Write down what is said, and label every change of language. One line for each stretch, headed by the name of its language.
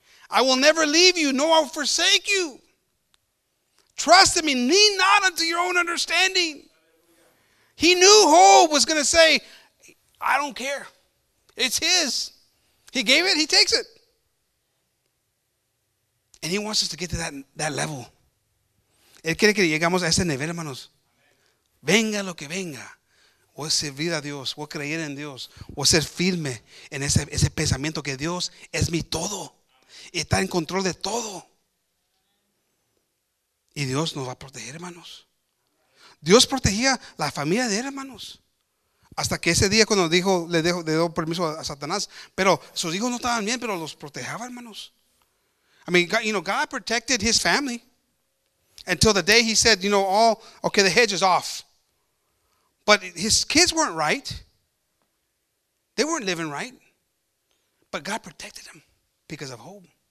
English: I will never leave you, nor I will forsake you. Trust in me. Lean not unto your own understanding. He knew Job was going to say, I don't care. It's his. He gave it, he takes it. And he wants us to get to that level.
Spanish: Él quiere que llegamos a ese nivel, hermanos. Venga lo que venga. Voy a servir a Dios. Voy a creer en Dios. Voy a ser firme en ese pensamiento que Dios es mi todo. Y está en control de todo. Y Dios nos va a proteger, hermanos. Dios protegía la familia de él, hermanos. Hasta que ese día cuando dijo, le dio permiso a Satanás. Pero sus hijos no estaban bien, pero los protejaba, hermanos.
English: I mean, God, you know, God protected his family until the day he said, you know, all, okay, the hedge is off. But his kids weren't right. They weren't living right. But God protected them because of hope.